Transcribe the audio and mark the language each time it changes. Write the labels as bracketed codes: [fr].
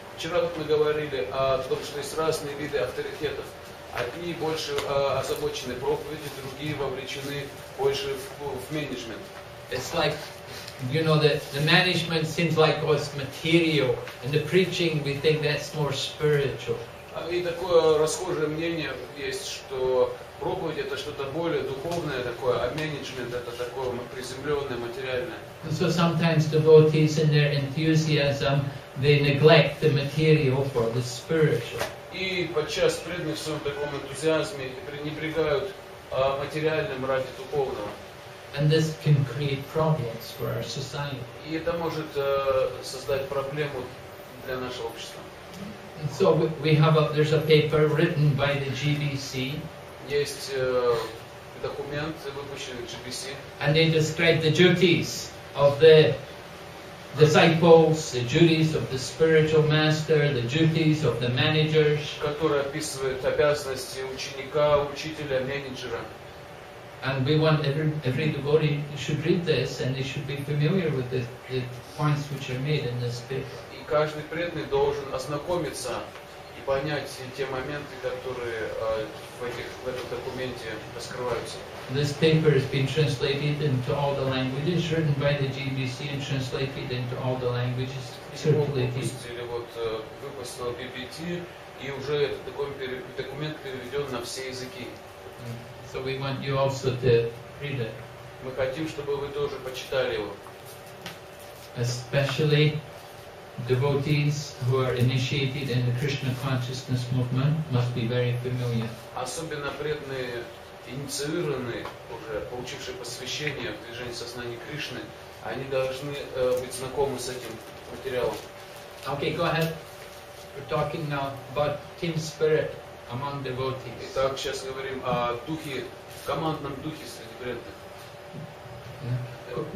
[ru] Вчера мы говорили о том, что есть разные виды авторитетов. Одни больше озабочены проповедью, другие вовлечены больше в менеджмент. [en] It's like, you know, the management seems like it's material, and the preaching, we think that's more spiritual. [ru] И такое расхожее мнение есть, что проповедь – это что-то более духовное такое, а менеджмент – это такое приземленное, материальное. [en] So sometimes devotees in their enthusiasm, they neglect the material for the spiritual. [ru] И подчас преданные в своем таком энтузиазме пренебрегают материальным ради духовного. [en] And this can create problems for our society. [ru] И это может создать проблему для нашего общества. [en] And so we have there's a paper written by the GBC. [ru] Есть документ, выпущенный GBC. [en] And they describe the duties of the disciples, the duties of the spiritual master, the duties of the managers. [ru] Которые описывают обязанности ученика, учителя, менеджера. [en] And we want every devotee should read this, and they should be familiar with the points which are made in this paper. [ru] И каждый преданный должен ознакомиться и понять те моменты, которые в этом документе раскрываются. [en] This paper has been translated into all the languages, written by the GBC and translated into all the languages. [ru] Выпустили вот выпустил BBT и уже этот документ переведен на все языки. [en] So we want you also to read it. [ru] Мы хотим, чтобы вы тоже почитали его. [en] Especially devotees who are initiated in the Krishna consciousness movement must be very familiar. [ru] Особенно преданные, инициированные, уже получившие посвящение в движении сознания Кришны, они должны быть знакомы с этим материалом. [en] Okay, go ahead. We're talking now about team spirit among devotees. [ru] Итак, сейчас говорим о духе, командном духе среди преданных.